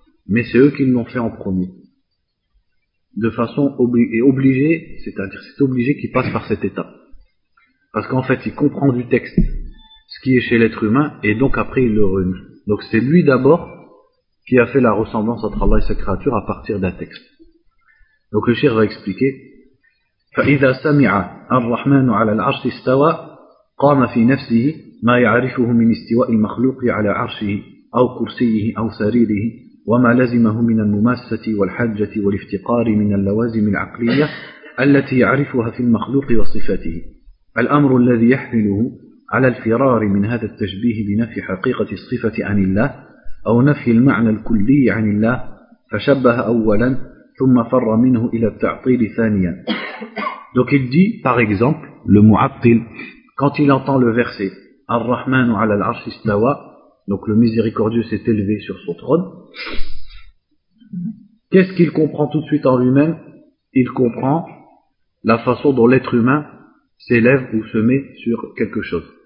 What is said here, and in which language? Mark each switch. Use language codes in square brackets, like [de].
[fr] Mais c'est eux qui l'ont fait en premier. De façon obligée, c'est-à-dire c'est obligé qu'ils passent par cette étape. Parce qu'en fait, ils comprennent du texte ce qui est chez l'être humain, et donc après il le renie. Donc c'est lui d'abord qui a fait la ressemblance entre Allah et sa créature à partir d'un texte. Donc le shir va expliquer. [ar] فَإِذَا سَمِعَ الرَّحْمَنُ عَلَى الْعَرْشِ اسْتَوَى قَامَ فِي نَفْسِهِ مَا يَعْرِفُهُ مِنْ اسْتِوَاءِ الْمَخْلُوقِ عَلَى عَرْشِهِ أَوْ كُرْسِيِّهِ أَوْ سَرِيرِهِ وَمَا لَزِمَهُ مِنَ الْمُمَاسَّةِ وَالْحَجَّةِ وَالْإِفْتِقَارِ مِنَ اللَّوَازِمِ الْعَقْلِيَّةِ الَّتِي يَعْرِفُهَا فِي الْمَخْلُوقِ وَصِفَاتِهِ الْأَمْرُ الَّذِي يَحْمِلُهُ على الفرار من هذا التشبيه بنفي حقيقة الصفة عن الله أو نفي المعنى الكلي عن الله فشبه أولا ثم فر منه إلى التعطيل ثانيا. [fr] Donc il dit par exemple le mu'attil quand il entend le verset [ar] Ar-Rahmanu ala al-Arshi istawa, [fr] donc le miséricordieux s'est élevé sur son trône, Qu'est-ce qu'il comprend tout de suite en lui-même? Il comprend la façon dont l'être humain s'élève ou se met sur quelque chose.